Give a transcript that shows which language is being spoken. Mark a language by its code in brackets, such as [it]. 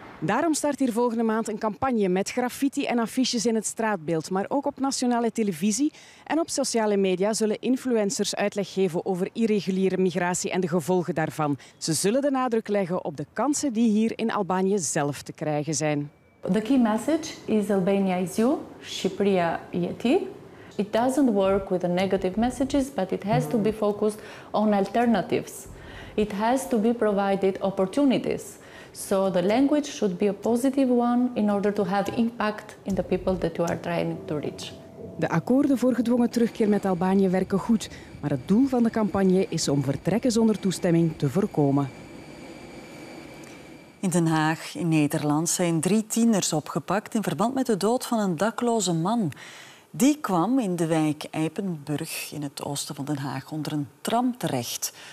[nl] Daarom start hier volgende maand een campagne met graffiti en affiches in het straatbeeld, maar ook op nationale televisie en op sociale media zullen influencers uitleg geven over irreguliere migratie en de gevolgen daarvan. Ze zullen de nadruk leggen op de kansen die hier in Albanië zelf te krijgen zijn. [en] The key message is Albania is you, [sq] Shqipëria jeti. [en] It doesn't work with the negative messages, but it has to be focused on alternatives. It has to be provided opportunities. So the language should be a positive one in order to have impact in the people that you are trying to reach. [nl] De akkoorden voor gedwongen terugkeer met Albanië werken goed, maar het doel van de campagne is om vertrekken zonder toestemming te voorkomen. In Den Haag, in Nederland, zijn 3 tieners opgepakt in verband met de dood van een dakloze man. Die kwam in de wijk Eipenburg in het oosten van Den Haag onder een tram terecht.